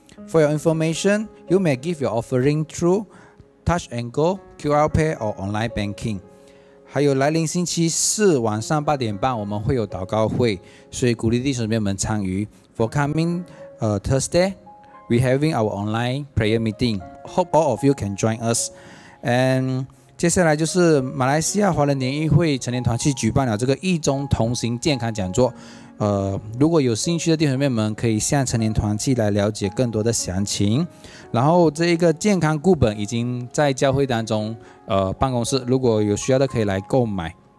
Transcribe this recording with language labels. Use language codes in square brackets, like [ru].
[en] For your information, you may give your offering through Touch and Go, QR Pay or Online Banking。 [zh] 还有来临星期四晚上八点半我们会有祷告会，所以鼓励弟兄姊妹们参与。 [en] For coming Thursday, we having our online prayer meeting. Hope all of you can join us. [zh] And 接下来就是马来西亚华人联谊会成年团去举办了这个一中同行健康讲座，如果有兴趣的弟兄姊妹们可以向成年团去来了解更多的详情。然后这一个健康固本已经在教会当中办公室，如果有需要的可以来购买。